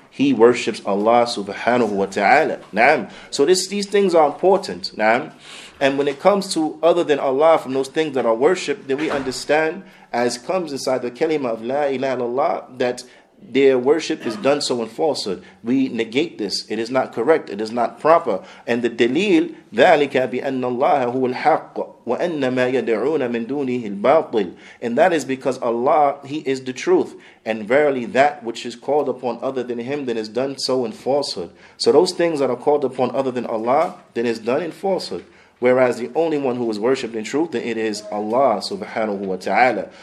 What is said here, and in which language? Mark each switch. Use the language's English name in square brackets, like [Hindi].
[English] He worships Allah subhanahu wa ta'ala. Naam. So these things are important. Naam. And when it comes to other than Allah, from those things that are worshipped, then we understand, as comes inside the kalima of La ilaha illallah, that their worship is done so in falsehood. We negate this. It is not correct. It is not proper. And the dalil, [Arabic] ذَلِكَ بِأَنَّ اللَّهَ هُوَ الْحَقُّ وَأَنَّ مَا يَدْعُونَ مِن دُونِهِ الْبَاطِلِ. [English] And that is because Allah, He is the truth. And verily that which is called upon other than Him, then is done so in falsehood. So those things that are called upon other than Allah, then is done in falsehood. Whereas the only one who is worshipped in truth, then it is Allah subhanahu wa ta'ala.